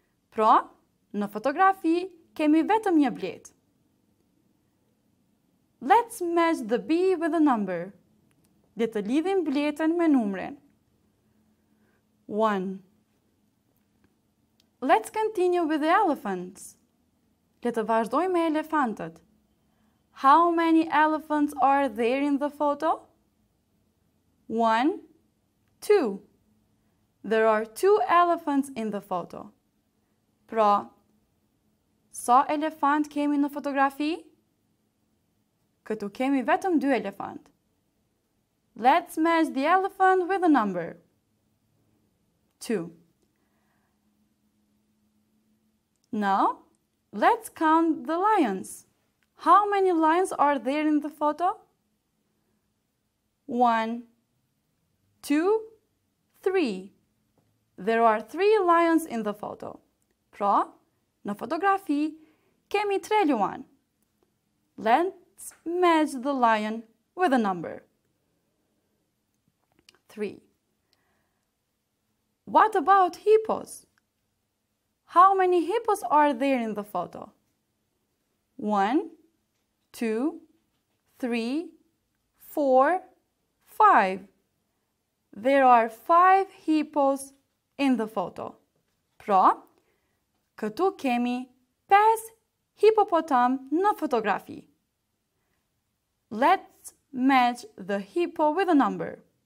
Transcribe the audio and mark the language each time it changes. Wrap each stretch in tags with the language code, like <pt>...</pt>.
<sq>Pra, në fotografi kemi vetëm një blet.</sq> <en>Let's match the bee with a number.</en> <sq>Le të lidhim bletën me numrin.</sq> <en>1. Let's continue with the elephants.</en> <sq>Le të vazhdojmë me elefantët.</sq> <en>How many elephants are there in the photo? 1, 2. There are 2 elephants in the photo.</en> <sq>Pra, sa elefant kemi në fotografi? Këtu kemi vetëm 2 elefant.</sq> <en>Let's match the elephant with a number. 2. Now, let's count the lions. How many lions are there in the photo? 1, 2, 3. There are 3 lions in the photo.</en> <sq>Pra, në fotografi, kemi 3 lion.</sq> <en>Let's match the lion with a number. 3. What about hippos? How many hippos are there in the photo? 1, 2, 3, 4, 5. There are 5 hippos in the photo.</en> <sq>Pra, këtu kemi 5 hippopotam në fotografi.</sq> <en>Let's match the hippo with a number.</en>